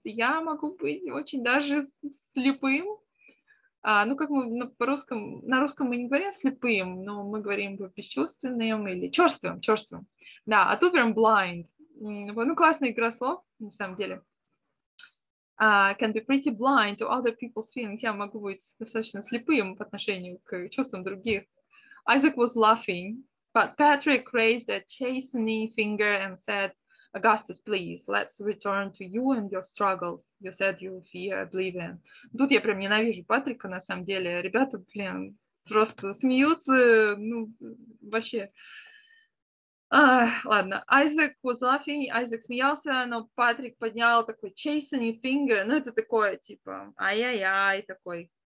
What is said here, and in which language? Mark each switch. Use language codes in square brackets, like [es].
[ru] Я могу быть очень даже слепым. Ну, как мы на русском мы не говорим слепым, но мы говорим бесчувственным или чёрствым. Да, а тут прям [en] blind. [ru] Ну, классная игра слов, на самом деле. [en] Can be pretty blind to other people's feelings. [ru] Я могу быть достаточно слепым по отношению к чувствам других. [en] Isaac was laughing, but Patrick raised a chastening finger and said, Augustus, please, let's return to you and your struggles. You said you fear, believe in. [ru] Тут я прям ненавижу Патрика, на самом деле. Ребята, блин, просто смеются, ну, вообще. Ладно, [en] Isaac was laughing, [ru] Isaac смеялся, но Патрик поднял такой [en] chastening finger. [ru] Ну, это такое, типа, ай-яй-яй, такой.